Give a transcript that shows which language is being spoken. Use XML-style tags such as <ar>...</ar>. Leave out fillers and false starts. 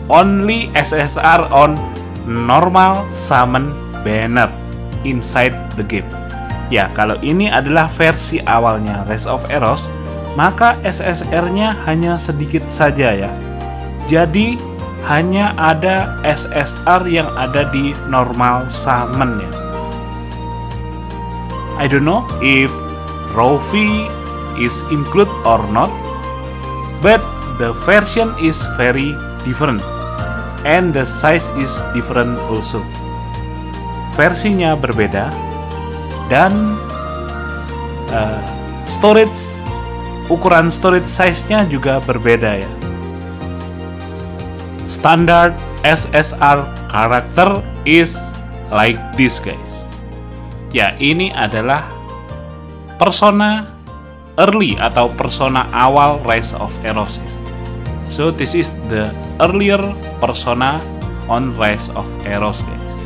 <en>Only SSR on normal summon banner inside the game.</en> <id>Ya, kalau ini adalah versi awalnya Rise of Eros, maka SSR-nya hanya sedikit saja ya. Jadi hanya ada SSR yang ada di normal summon ya.</id> <en>I don't know if Rofi is included or not, but the version is very different and the size is different also.</en> <id>Versinya berbeda dan storage, ukuran storage size-nya juga berbeda ya.</id> <en>Standard SSR character is like this guys.</en> <id>Ya, ini adalah persona early atau persona awal Rise of Eros.</id> <en>So, this is the earlier persona on Rise of Eros. Guys.</en>